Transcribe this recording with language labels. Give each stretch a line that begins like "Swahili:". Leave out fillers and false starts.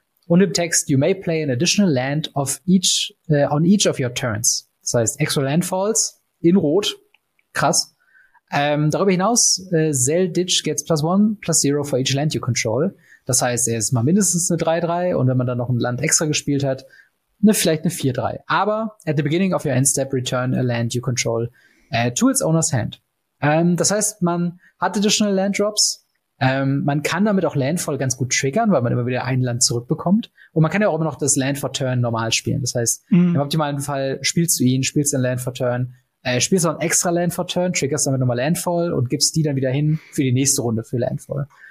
German: Und im Text,
English: you may play an additional land of each on each of your turns.
German: Das heißt, extra landfalls in rot. Krass. Darüber hinaus,
English: Zell Ditch gets plus one, plus zero for each land you control.
German: Das heißt, er ist mal mindestens eine 3-3. Und wenn man dann noch ein Land extra gespielt hat, vielleicht eine 4-3.
English: Aber at the beginning of your end step, return a land you control to its owner's hand.
German: Das heißt, man hat additional land drops. Man kann damit auch Landfall ganz gut triggern, weil man immer wieder ein Land zurückbekommt. Und man kann ja auch immer noch das Land for Turn normal spielen. Das heißt, im optimalen Fall spielst du ihn, spielst ein Land for Turn, spielst du auch ein extra Land for Turn, triggerst damit nochmal Landfall und gibst die dann wieder hin für die nächste Runde für Landfall.